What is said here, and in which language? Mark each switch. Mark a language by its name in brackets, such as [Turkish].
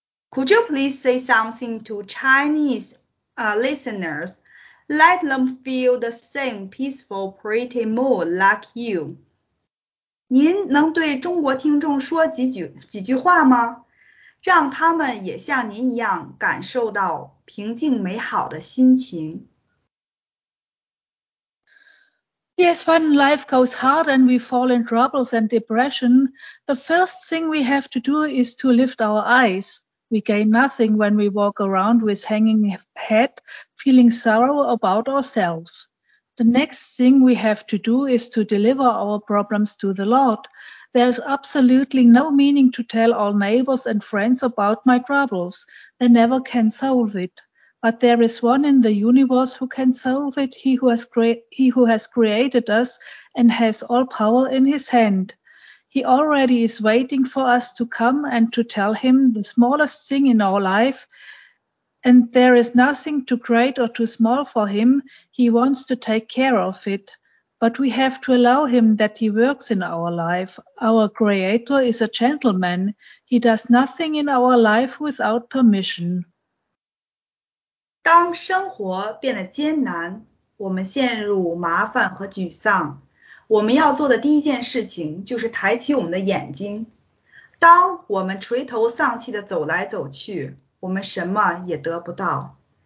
[English] Could you please say something to Chinese listeners? Let them feel the same peaceful, pretty mood like you. [Chinese] 您能对中国听众说几句话吗？让他们也像您一样感受到平静美好的心情。 [English] Yes, when life goes hard and we fall in troubles and depression, the first thing we have to do is to lift our eyes. We gain nothing when we walk around with hanging head, feeling sorrow about ourselves. The next thing we have to do is to deliver our problems to the Lord. There's absolutely no meaning to tell all neighbors and friends about my troubles. They never can solve it. But there is one in the universe who can solve it, he who has created us and has all power in his hand. He already is waiting for us to come and to tell him the smallest thing in our life. And there is nothing too great or too small for him. He wants to take care of it. But we have to allow him that he works in our life. Our Creator is a gentleman. He does nothing in our life without permission. [Chinese] 当生活变得艰难，我们陷入麻烦和沮丧，我们要做的第一件事情就是抬起我们的眼睛。当我们垂头丧气地走来走去，我们什么也得不到。